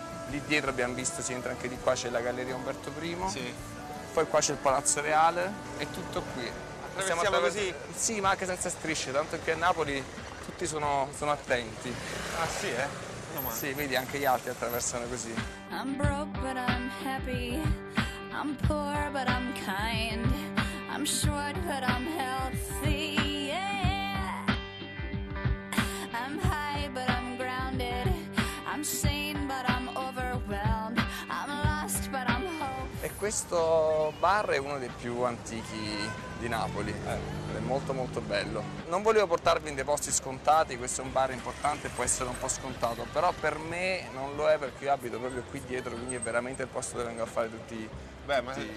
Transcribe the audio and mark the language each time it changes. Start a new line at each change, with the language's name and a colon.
Italian: Lì dietro abbiamo visto, si entra anche di qua, c'è la Galleria Umberto I, sì. Poi qua c'è il Palazzo Reale, è tutto qui. Siamo così? Sì, ma anche senza strisce, tanto che a Napoli tutti sono attenti. Ah sì, eh? No, sì, vedi, anche gli altri attraversano così.
English: I'm broke but I'm happy, I'm poor but I'm kind, I'm short but I'm healthy, yeah. I'm high but I'm grounded, I'm sane but I'm overwhelmed, I'm lost but I'm hopeful.
Italian: E questo bar è uno dei più antichi di Napoli, è molto molto bello. Non volevo portarvi in dei posti scontati, questo è un bar importante, può essere un po' scontato, però per me non lo è, perché io abito proprio qui dietro, quindi è veramente il posto dove vengo a fare tutti i giorni colazione.